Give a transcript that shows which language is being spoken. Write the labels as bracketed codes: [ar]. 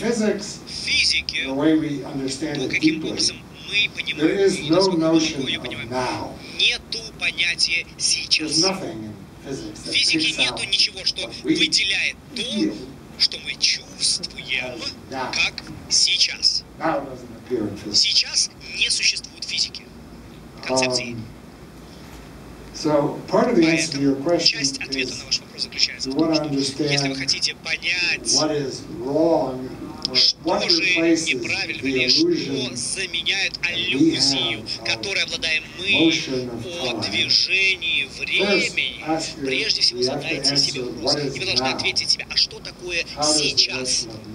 [ru] В физике, то, каким образом мы понимаем, и насколько глубоко ее понимаем, нету понятия «сейчас». В физике нету ничего, что выделяет то, что мы чувствуем, как «сейчас». «Сейчас» не существует в физике, в концепции. [en] So part of the answer to your question is, [ru] часть ответа на ваш вопрос заключается в том, что если вы хотите понять, [en] what is wrong, [ru] что же неправильно или что заменяет иллюзию, которой обладаем мы о движении времени, прежде всего задайте себе вопрос, и вы должны ответить себе, а что такое сейчас?